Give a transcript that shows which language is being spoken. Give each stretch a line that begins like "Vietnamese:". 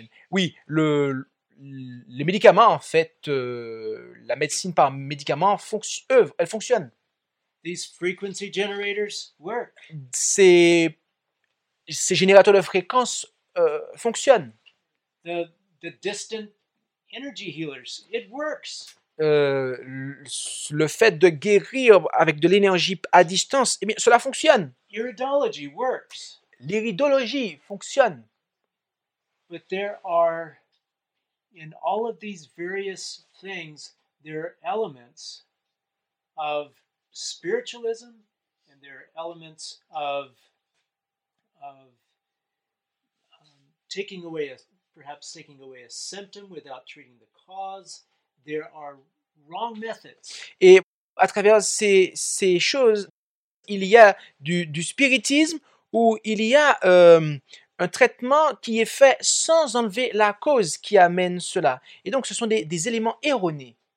French: Oui, les médicaments, en fait, la médecine par médicament, elle fonctionne.
English: These frequency generators work.
French: Ces générateurs de fréquences fonctionnent.
English: The distant energy healers, it works.
French: Le fait de guérir avec de l'énergie à distance, eh bien, cela fonctionne.
English: Iridology works.
French: L'iridologie fonctionne.
English: But there are, in all of these various things, there are elements of spiritualism, and there are elements of taking away a symptom without treating the cause. There are wrong methods.
French: Et à travers ces choses, il y a du spiritisme où il y a un traitement qui est fait sans enlever la cause qui amène cela. Et donc, ce sont des éléments erronés.